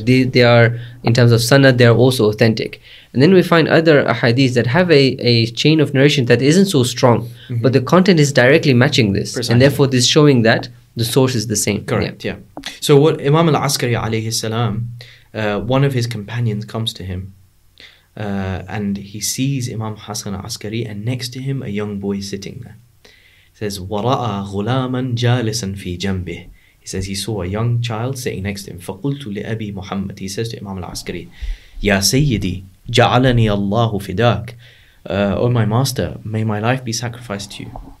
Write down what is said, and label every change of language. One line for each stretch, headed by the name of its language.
English: So they are, in terms of sanad, they are also authentic. And then we find other hadith that have a chain of narration that isn't so strong, mm-hmm, but the content is directly matching this. Precisely. And therefore, this showing that the source is the same. Correct, yeah. So what Imam al-Askari alayhi salam, one of his companions comes to him and he sees Imam Hassan al-Askari, and next to him a young boy sitting there. He says,
Arabic: وَرَأَى غُلَامًا جَالِسًا فِي جَنْبِهِ.
English: He says he saw a young child sitting next to him.
Arabic: فَقُلْتُ لِأَبِي مُحَمَّدٍ.
English: He says to Imam al-Askari,
Arabic: يَا سَيِّدِي جَعَلَنِي اللَّهُ فِدَاكَ.
English: Oh my master, may my life be sacrificed to you.